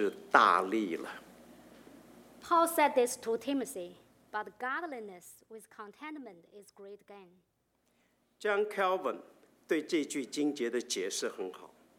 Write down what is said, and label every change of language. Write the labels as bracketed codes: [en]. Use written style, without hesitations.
[zh] 保罗说的，保罗跟提摩太说的。然而，敬虔加上知足的心，便是大利了。Paul [en] said this to Timothy, but godliness with contentment is great gain. [zh] John Calvin 对这句经节的解释很好。